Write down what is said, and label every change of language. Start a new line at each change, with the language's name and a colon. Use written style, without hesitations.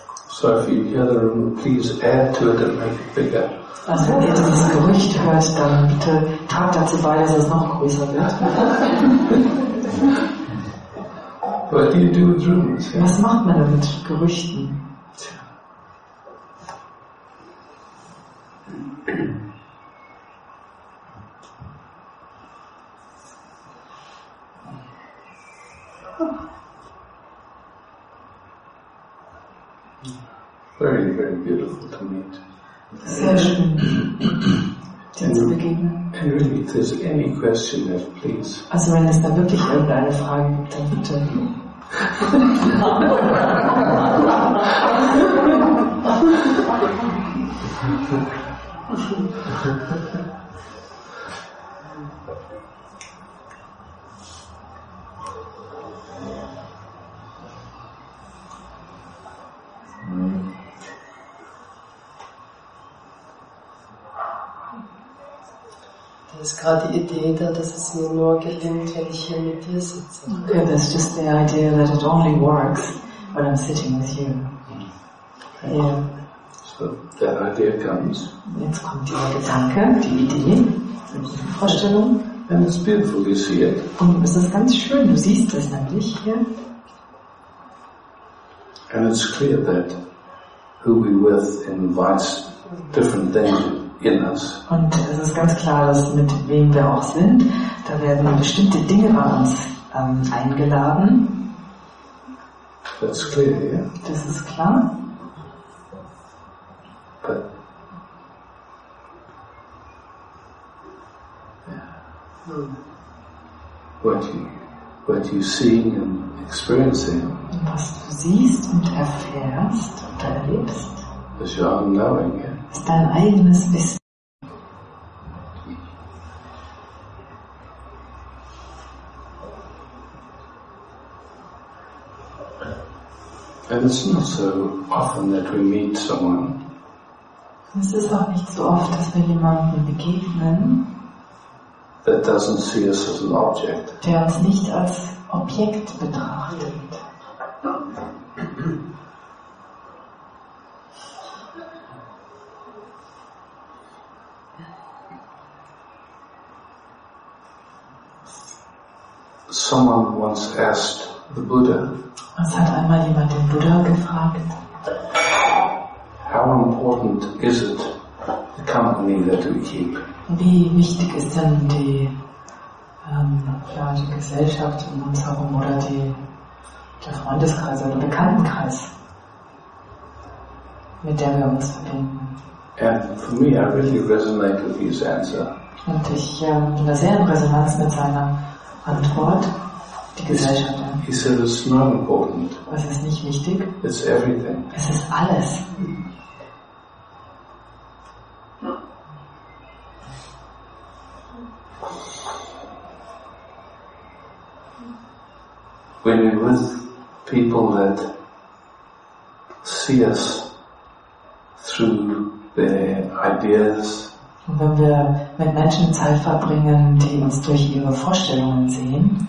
English: So if you hear the rumor, please add to it and make it bigger.
German: Also wenn ihr dieses Gerücht hört, dann bitte tragt dazu bei, dass es noch größer wird.
English: What do you do with rumors?
German: Was macht man denn mit Gerüchten?
English: Very, very beautiful to meet.
German: Sehr schön, den zu begegnen.
English: And really, if there's any question left, please.
German: Also wenn es da wirklich irgendeine Frage gibt, dann bitte. Da ist gerade die Idee da, dass es mir nur gelingt, wenn ich hier mit dir sitze.
English: Okay, that's just the idea that it only works when I'm sitting with you. Okay. Yeah. So the idea comes.
German: Jetzt kommt der Gedanke, die Idee, die Vorstellung.
English: And it's beautiful, you see it.
German: Und es ist ganz schön, du siehst das nämlich hier.
English: And it's clear that who we with invites different things.
German: Und es ist ganz klar, dass mit wem wir auch sind, da werden bestimmte Dinge bei uns eingeladen.
English: That's clear, yeah.
German: Das ist klar.
English: What you see and experiencing.
German: Was du siehst und erfährst und erlebst.
English: Is your own knowing, yeah.
German: Ist dein eigenes Wissen.
English: And it's not so often that we meet someone.
German: Es ist auch nicht so oft, dass wir jemanden begegnen.
English: That doesn't see us as an object.
German: Der uns nicht als Objekt betrachtet.
English: Someone once asked the Buddha.
German: Was hat einmal jemand den Buddha gefragt?
English: How important is it, the company that we keep?
German: Wie wichtig ist denn die, die Gesellschaft um uns herum oder der Freundeskreis oder Bekanntenkreis, mit der wir uns verbinden?
English: And for me, I really resonate with his answer.
German: Und ich bin da sehr in Resonanz mit seiner Antwort. Die Gesellschaft.
English: He said it's not important.
German: Was ist nicht wichtig?
English: It's everything.
German: Es ist alles.
English: When we're with people that see us through their ideas.
German: Und wenn wir mit Menschen Zeit verbringen, die uns durch ihre Vorstellungen sehen,